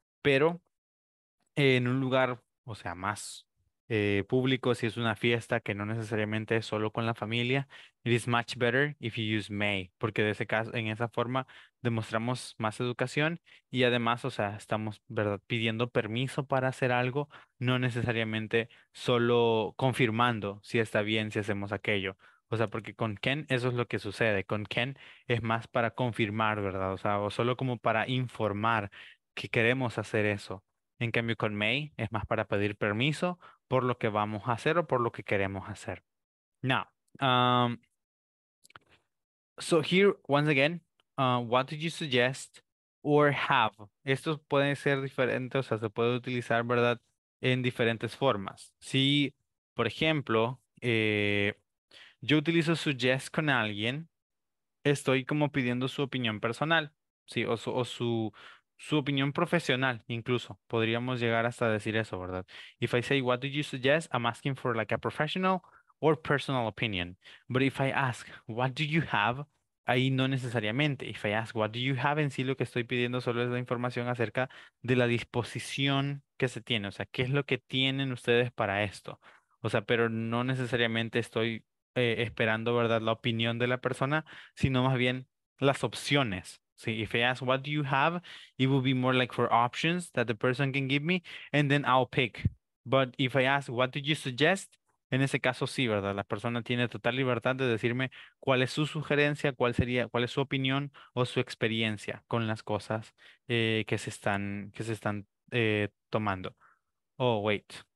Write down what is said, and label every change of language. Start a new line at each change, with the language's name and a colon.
Spanish: Pero en un lugar, o sea, más público, si es una fiesta que no necesariamente es solo con la familia,
English: it is much better if you use may,
Spanish: porque de ese caso, en esa forma demostramos más educación y además, o sea, estamos, ¿verdad?, pidiendo permiso para hacer algo, no necesariamente solo confirmando si está bien si hacemos aquello. O sea, porque con can eso es lo que sucede, con can es más para confirmar, ¿verdad? O sea, o solo como para informar que queremos hacer eso. En cambio, con may es más para pedir permiso por lo que vamos a hacer o por lo que queremos hacer.
English: Now, so here, once again, what do you suggest or have?
Spanish: Esto puede ser diferente, o sea, se puede utilizar, ¿verdad?, en diferentes formas. Si, por ejemplo, yo utilizo suggest con alguien, estoy como pidiendo su opinión personal, ¿sí? Su opinión profesional, incluso. Podríamos llegar hasta decir eso, ¿verdad?
English: If I say, what do you suggest? I'm asking for like a professional or personal opinion. But if I ask, what do you have?
Spanish: Ahí no necesariamente.
English: If I ask, what do you have?
Spanish: En sí, lo que estoy pidiendo solo es la información acerca de la disposición que se tiene. O sea, ¿qué es lo que tienen ustedes para esto? O sea, pero no necesariamente estoy esperando, ¿verdad?, la opinión de la persona, sino más bien las opciones.
English: See, if I ask, what do you have, it will be more like for options that the person can give me, and then I'll pick. But if I ask, what do you suggest,
Spanish: en ese caso sí, ¿verdad? La persona tiene total libertad de decirme cuál es su sugerencia, cuál es su opinión o su experiencia con las cosas que se están tomando.
English: Oh, wait.